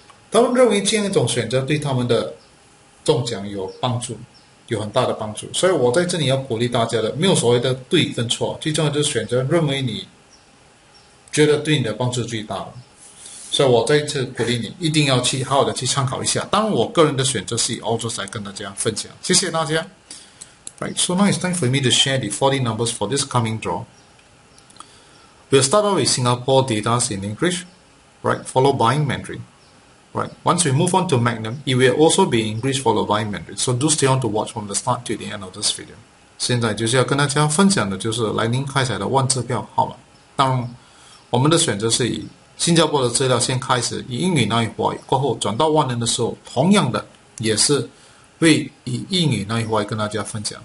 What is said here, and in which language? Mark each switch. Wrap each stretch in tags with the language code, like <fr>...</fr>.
<zh>他们认为这样一种选择对他们的中奖有帮助，有很大的帮助。所以我在这里要鼓励大家的，没有所谓的对跟错，最重要就是选择认为你觉得对你的帮助最大的。所以我再一次鼓励你，一定要去好好的去参考一下。当我个人的选择是以澳洲来跟大家分享，谢谢大家。</zh> <en>Right, so now it's time for me to share the 40 numbers for this coming draw. We'll start off with Singapore data in English, right, followed by Mandarin, right. Once we move on to Magnum, it will also be English followed by Mandarin. So do stay on to watch from the start to the end of this video.</en> <zh>现在就是要跟大家分享的就是来临开采的万字票号码。当然我们的选择是以新加坡的资料先开始，以英语那一话语，过后转到万能的时候，同样的也是会以英语那一话语跟大家分享。</zh>